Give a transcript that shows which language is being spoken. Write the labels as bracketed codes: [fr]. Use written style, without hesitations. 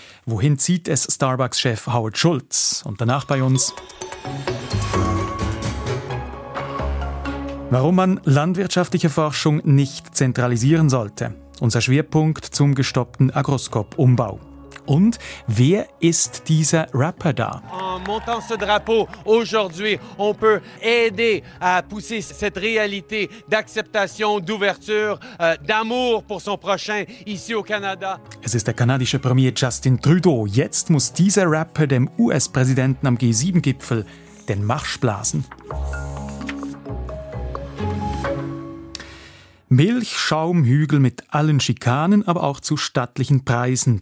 [de] Wohin zieht es Starbucks-Chef Howard Schultz? Und danach bei uns: Warum man landwirtschaftliche Forschung nicht zentralisieren sollte. Unser Schwerpunkt zum gestoppten Agroscope-Umbau. Und wer ist dieser Rapper da? [fr] En montant ce drapeau aujourd'hui, on peut aider à pousser cette réalité d'acceptation, d'ouverture, d'amour pour son prochain ici au Canada. [de] Es ist der kanadische Premier Justin Trudeau. Jetzt muss dieser Rapper dem US-Präsidenten am G7-Gipfel den Marsch blasen. Milch, Schaumhügel mit allen Schikanen, aber auch zu stattlichen Preisen.